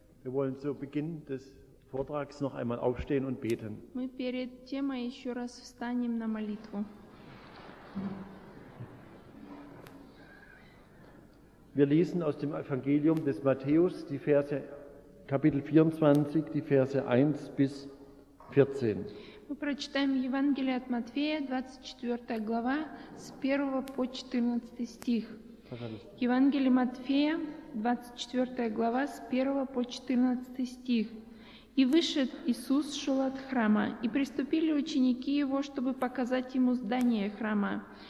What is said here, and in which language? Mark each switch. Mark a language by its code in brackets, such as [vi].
[de] wir wollen zu Beginn des Vortrags noch einmal aufstehen und beten. [ru] Мы перед темой еще раз встанем на молитву. [de] Wir lesen aus dem Evangelium des Matthäus die Verse Kapitel 24, die Verse 1 bis 14. [ru] Мы прочитаем Евангелие от Матфея, 24 глава, с 1 по 14 стих. Евангелие Матфея, 24 глава, с 1 по 14 стих. «И вышед Иисус шел от храма, и приступили ученики Его, чтобы показать Ему здание храма.